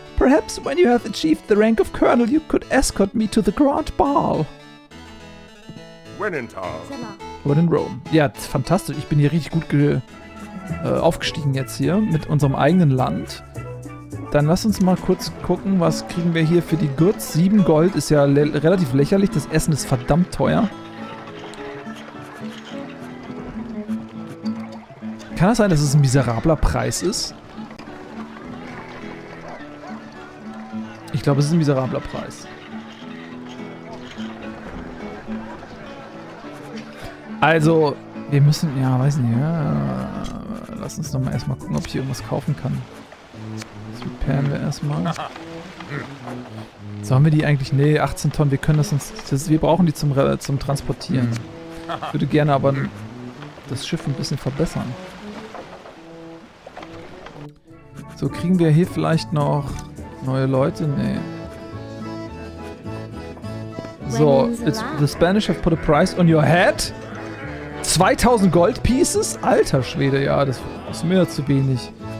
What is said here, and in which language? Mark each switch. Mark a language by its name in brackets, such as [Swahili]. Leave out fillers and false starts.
[English] Perhaps when you have achieved the rank of colonel, you could escort me to the Grand Ball. When in town. When in Rome. [German] Ja, fantastisch. Ich bin hier richtig gut aufgestiegen jetzt hier mit unserem eigenen Land. Dann lass uns mal kurz gucken, was kriegen wir hier für die Goods. 7 Gold ist ja relativ lächerlich. Das Essen ist verdammt teuer. Kann das sein, dass es ein miserabler Preis ist? Ich glaube, es ist ein miserabler Preis. Also, wir müssen, ja, weiß nicht, ja. Lass uns nochmal erstmal gucken, ob ich irgendwas kaufen kann. Das repairen wir erstmal. Sollen wir die eigentlich, nee, 18 Tonnen, wir können das uns, wir brauchen die zum Transportieren. Ich würde gerne aber das Schiff ein bisschen verbessern. So, kriegen wir hier vielleicht noch neue Leute? Nee. [English] So, the Spanish have put a price on your head? 2000 Gold Pieces? [German] Alter Schwede, ja, das ist mir zu wenig.